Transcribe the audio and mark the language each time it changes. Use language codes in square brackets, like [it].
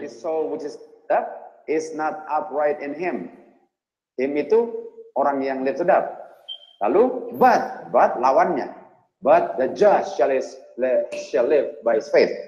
[en] His soul which is up is not upright in him. [id] Him itu orang yang [en] lifted up. [id] Lalu but lawannya. [en] But the just shall live by his faith.